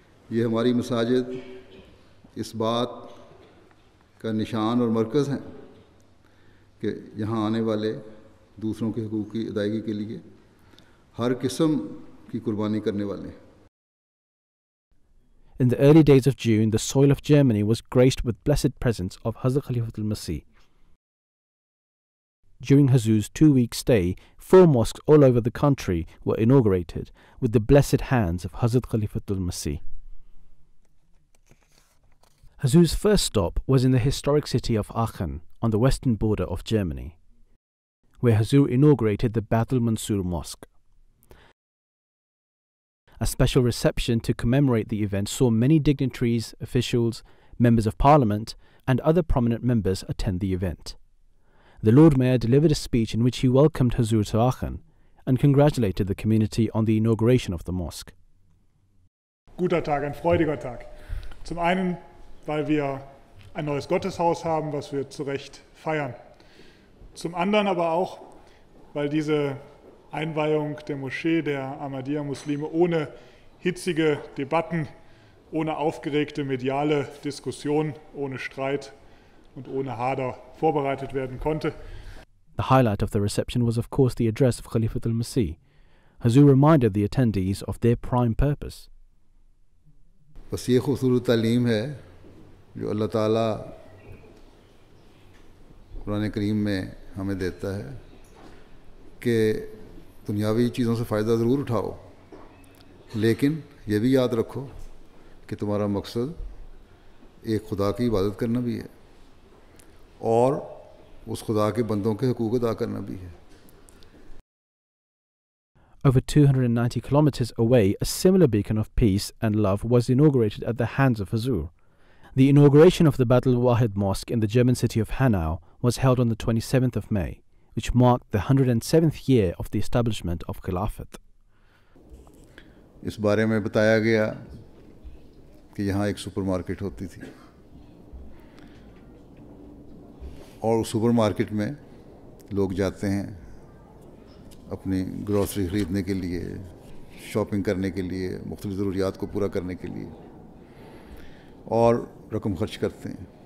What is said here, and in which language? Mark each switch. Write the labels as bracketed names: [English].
[Urdu] یہ ہماری مساجد اس بات کا نشان اور مرکز ہیں کہ یہاں آنے والے دوسروں کے حقوق کی ادائیگی کے لیے ہر قسم کی قربانی کرنے والے ہیں. [English] In the early days of June, the soil of Germany was graced with blessed presence of Hazrat Khalifatul Masih. During Hazu's two-week stay, four mosques all over the country were inaugurated with the blessed hands of Hazrat Khalifatul Masih. Hazu's first stop was in the historic city of Aachen on the western border of Germany, where Hazu inaugurated the Bayt al-Mansur Mosque. A special reception to commemorate the event saw many dignitaries, officials, members of parliament, and other prominent members attend the event. The Lord Mayor delivered a speech in which he welcomed Hazur to Aachen and congratulated the community on the inauguration of the mosque. [German] Guter Tag, ein freudiger Tag. Zum einen, weil wir ein neues Gotteshaus haben, was wir zu Recht feiern. Zum anderen aber auch, weil diese Einweihung der Moschee der Ahmadiyya-Muslime ohne hitzige Debatten, ohne aufgeregte mediale Diskussion, ohne Streit und ohne Hader vorbereitet werden konnte. [English] The highlight of the reception was of course the address of Khalifat al-Masih. Hazu reminded the attendees of their prime purpose. [Urdu] بس یہ خوبصورت تعلیم ہے جو اللہ تعالیٰ قرآن کریم میں ہمیں دیتا ہے کہ دنیاوی چیزوں سے فائدہ ضرور اٹھاؤ, لیکن یہ بھی یاد رکھو کہ تمہارا مقصد ایک خدا کی عبادت کرنا بھی ہے اور اس خدا کے بندوں کے حقوق ادا کرنا بھی ہے. [English] Over 290 kilometers away, a similar beacon of peace and love was inaugurated at the hands of Hazur. The inauguration of the Bayt al-Wahid Mosque in the German city of Hanau was held on the 27th of May, which marked the 107th year of the establishment of Khilafat. [Urdu] اس بارے میں بتایا گیا کہ یہاں ایک super market ہوتی تھی اور اس سپر مارکیٹ میں لوگ جاتے ہیں اپنی گروسری خریدنے کے لیے, شاپنگ کرنے کے لیے, مختلف ضروریات کو پورا کرنے کے لیے اور رقم خرچ کرتے ہیں.